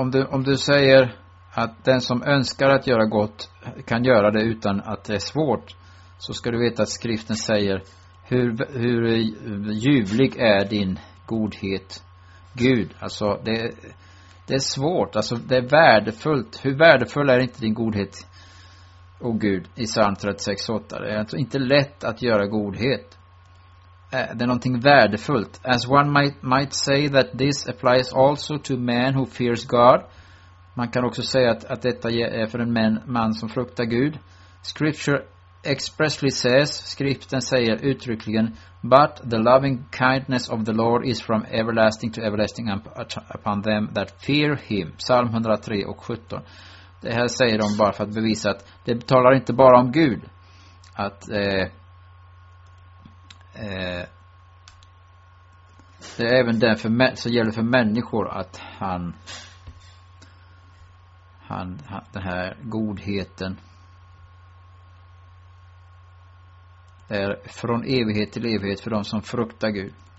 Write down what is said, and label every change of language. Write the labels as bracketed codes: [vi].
[sv] Om du säger att den som önskar att göra gott kan göra det utan att det är svårt, så ska du veta att skriften säger, hur ljuvlig är din godhet, Gud. Alltså det är svårt, alltså det är värdefullt. Hur värdefull är inte din godhet, o Gud, i Psalm 36:8. Det är alltså inte lätt att göra godhet. Det är någonting värdefullt. [en] As one might say that this applies also to man who fears God. [sv] Man kan också säga att detta är för en man som fruktar Gud. [en] Scripture expressly says, [sv] skriften säger uttryckligen, [en] but the loving kindness of the Lord is from everlasting to everlasting upon them that fear him. Psalm 103:17. [sv] Det här säger de bara för att bevisa att det talar inte bara om Gud. Att det är även den för så gäller för människor att han den här godheten är från evighet till evighet för de som fruktar Gud.